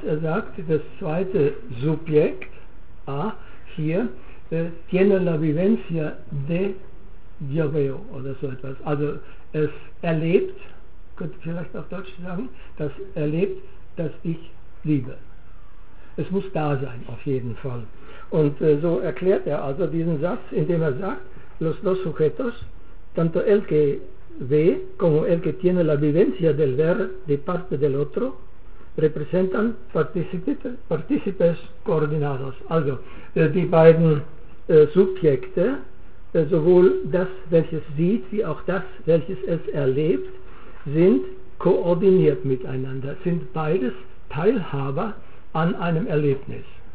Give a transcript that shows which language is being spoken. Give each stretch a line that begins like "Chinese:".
German: Er sagt, das zweite Subjekt, A, hier,
Spanish: tiene la vivencia de Diabeo
German: oder so etwas. Also es erlebt, könnte vielleicht auf Deutsch sagen, das erlebt, dass ich liebe. Es muss da sein, auf jeden Fall. Und so erklärt er also diesen Satz, indem er sagt,
Spanish: los dos sujetos, tanto el que ve como el que tiene la vivencia del ver de parte del otro, representan partícipes coordinados.
German: Also die beiden Subjekte, sowohl das, welches sieht, wie auch das, welches es erlebt, sind koordiniert miteinander, sind beides Teilhaber an einem Erlebnis.